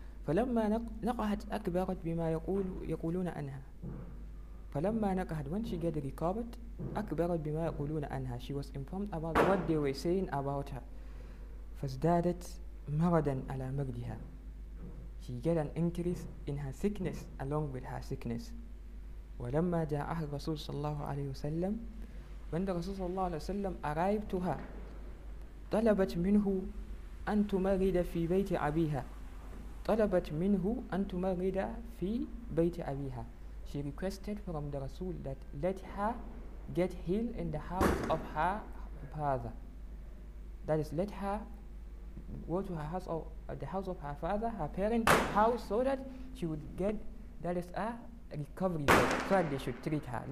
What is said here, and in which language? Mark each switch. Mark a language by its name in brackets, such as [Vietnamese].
[Arabic] فلما نقهت أكبرت بما يقولون عنها. فلما نقهت, [English] when she got recovered, [Arabic] أكبرت بما يقولون عنها. [English] She was informed about what they were saying about her. [Arabic] فازدادت مرضا على مرضها. [English] She got an increase in her sickness along with her sickness. [Arabic] ولما جاء أهل الرسول صلى الله عليه وسلم, [English] when the Rasul [Arabic] صلى الله عليه وسلم [English] arrived to her, [Arabic] طلبت منه أن تمرد في بيت أبيها. طلبت منه أن تمرد في بيت أبيها. [English] She requested from the Rasul that let her get healed in the house of her father. That is, let her go to her house or the house of her father, her parents' house, so that she would get, that is, a recovery, so that they should treat her.